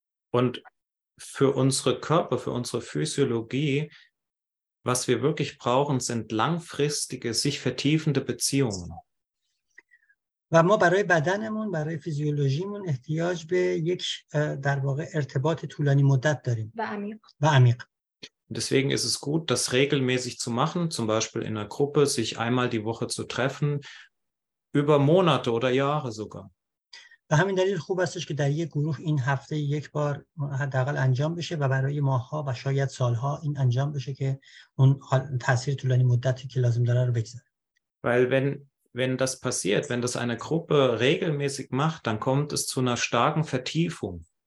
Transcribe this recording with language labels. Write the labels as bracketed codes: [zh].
[de] Und für unsere Körper, für unsere Physiologie, was wir wirklich brauchen, sind langfristige, sich vertiefende Beziehungen. [fa] و ما برای بدنمون، برای فیزیولوژیمون احتیاج به یک در واقع ارتباط طولانی مدت داریم و عمیق. [de] Deswegen ist es gut, das regelmäßig zu machen, zum Beispiel in einer Gruppe, sich einmal die Woche zu treffen, über Monate oder Jahre sogar. [fa] به همین دلیل خوب استش که در یک گروه این هفته یک بار حداقل انجام بشه و برای ماه‌ها و شاید سال‌ها این انجام بشه که اون تاثیر طولانی مدتی که لازم داره رو بگذاره. [de] Weil wenn das passiert, wenn das eine Gruppe regelmäßig macht, dann kommt es zu einer starken Vertiefung.